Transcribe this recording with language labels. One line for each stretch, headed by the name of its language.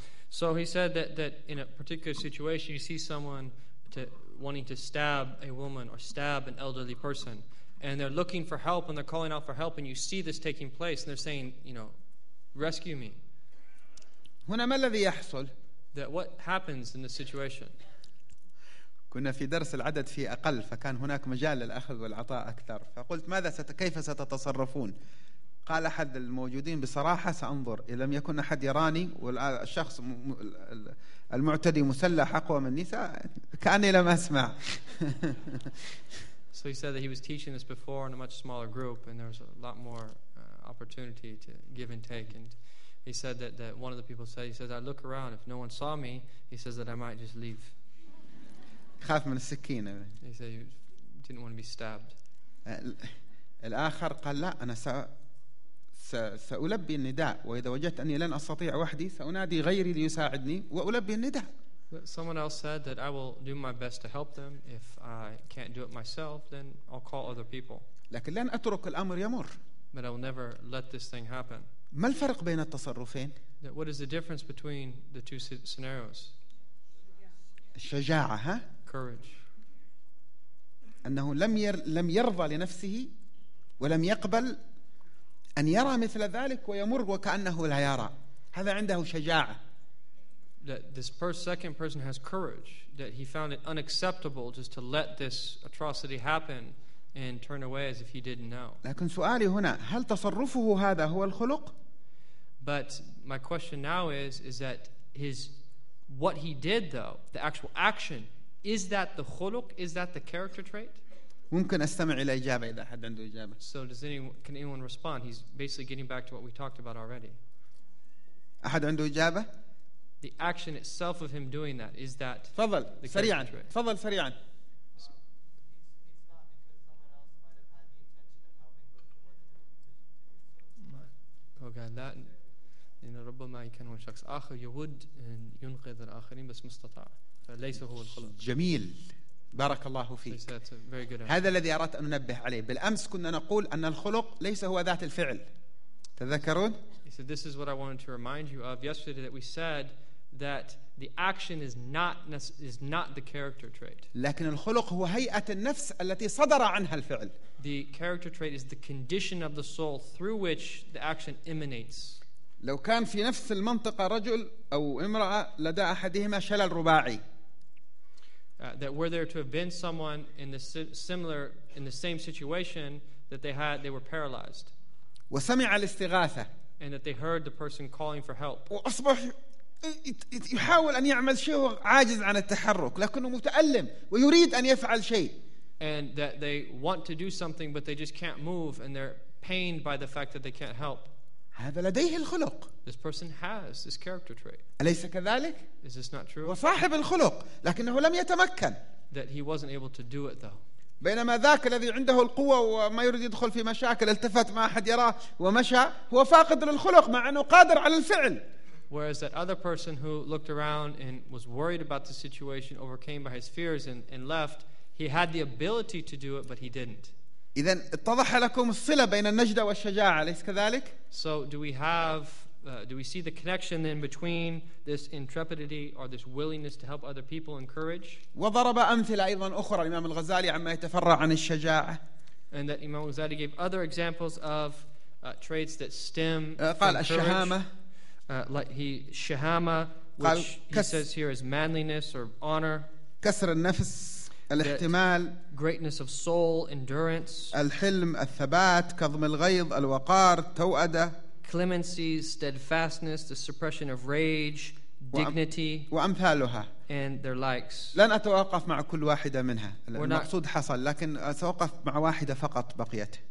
English: So he said that in a particular situation you see someone wanting to stab a woman or stab an elderly person, and they're looking for help and they're calling out for help, and you see this taking place and they're saying, you know, rescue me.
Arabic: هنا ما الذي يحصل؟
English: That what happens in the situation.
Arabic: كنا في درس العدد في أقل، فكان هناك مجال للأخذ والعطاء أكثر. فقلت كيف ستتصرفون؟ قال أحد الموجودين بصراحة سأنظر. إذا لم يكن أحد يراني والشخص المعتدي مسلح أقوى مني كأني لم أسمع.
English: So he said that he was teaching this before in a much smaller group, and there was a lot more opportunity to give and take. And he said that one of the people said, he says, I look around. If no one saw me, he says that I might just leave.
Arabic: خاف من السكين.
English: He said he didn't want to be stabbed.
Arabic: الآخر قال لا، أنا سألبي النداء، وإذا وجدت أني لن أستطيع وحدي سأنادي غيري ليساعدني وألبي النداء.
English: But someone else said that I will do my best to help them. If I can't do it myself, then I'll call other people.
Arabic: لكن لن أترك الأمر يمر.
English: But I will never let this thing happen.
Arabic: ما الفرق بين التصرفين؟
English: What is the difference between the two scenarios?
Arabic: الشجاعة، ها؟
English: Courage.
Arabic: أنه لم يرضى لنفسه ولم يقبل أن يرى مثل ذلك ويمر وكأنه لا يرى. هذا عنده شجاعة.
English: That this second person has courage, that he found it unacceptable just to let this atrocity happen and turn away as if he didn't know.
Arabic: لكن سؤالي هنا، هل تصرفه هذا هو الخلق؟
English: But my question now is that his what he did though, the actual action, is that the khuluq? Is that the character trait?
Arabic: ممكن استمع الى اجابه اذا حد عنده اجابه.
English: So can anyone respond? He's basically getting back to what we talked about already.
Arabic: احد عنده اجابه؟
English: The action itself of him doing that, is that
Arabic: تفضل سريعا trait? تفضل سريعا. وكان ذات إن ربما يكون شخص آخر يود أن ينقذ الآخرين بس مستطاع فليس هو الخلق. جميل. بارك الله فيك.
English: That's a very good
Arabic: هذا الذي أردت أن أنبه عليه. بالأمس كنا نقول أن الخلق ليس هو ذات الفعل. تذكرون؟
English: He said, "This is what I wanted to remind you of yesterday that we said that the action is not the character trait."
Arabic: لكن الخلق هو هيئة النفس التي صدر عنها الفعل.
English: The character trait is the condition of the soul through which the action emanates.
Arabic: لو كان في نفس المنطقة رجل أو امرأة لدى أحدهما شلل رباعي.
English: That were there to have been someone in the similar in the same situation that they were paralyzed.
Arabic: وسمع الاستغاثة.
English: And that they heard the person calling for help.
Arabic: وأصبح يحاول أن يعمل شيء عاجز عن التحرك لكنه متألم ويريد أن يفعل شيء.
English: And that they want to do something but they just can't move and they're pained by the fact that they can't help.
Arabic: هذا لديه الخلق.
English: This person has this character trait.
Arabic: أليس كذلك؟
English: Is this not true?
Arabic: وصاحب الخلق لكنه لم يتمكن.
English: That he wasn't able to do it though.
Arabic: بينما ذاك الذي عنده القوة وما يريد يدخل في مشاكل التفت ما أحد يراه ومشى هو فاقد للخلق مع أنه قادر على الفعل.
English: Whereas that other person who looked around and was worried about the situation, overcame by his fears and left, he had the ability to do it, but he didn't.
Arabic: إذن اتضح لكم الصلة بين النجدة والشجاعة أليس كذلك؟
English: So do we see the connection then between this intrepidity or this willingness to help other people and courage?
Arabic: وضرب أمثلة أيضا أخرى الإمام الغزالي عما يتفرع عن الشجاعة.
English: And that Imam Ghazali gave other examples of traits that stem
Arabic: قال الشهامة.
English: Shahama, which he says here is manliness or honor.
Arabic: كسر النفس الاحتمال.
English: Greatness of soul, endurance.
Arabic: الحلم الثبات كظم الغيظ الوقار توأدة.
English: Clemency, steadfastness, the suppression of rage, dignity,
Arabic: وأمثالها.
English: And their likes.
Arabic: لن أتوقف مع كل واحدة منها. المقصود حصل لكن سأوقف مع واحدة فقط بقيت.